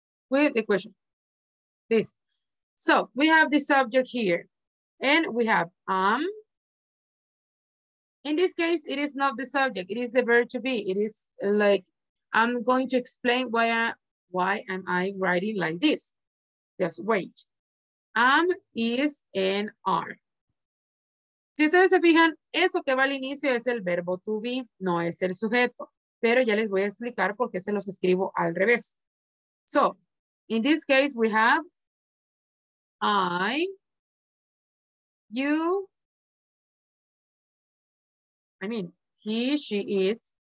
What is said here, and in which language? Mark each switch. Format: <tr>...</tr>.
<en>With the question, this. So we have the subject here. And we have in this case, it is not the subject, it is the verb to be. It is like, I'm going to explain why am I writing like this. Just wait. Is, and are.</en> <es>Si ustedes se fijan, eso que va al inicio es el verbo to be, no es el sujeto. Pero ya les voy a explicar por qué se los escribo al revés.</es> <en>So, in this case, we have I, you, I mean, he, she, it.</en>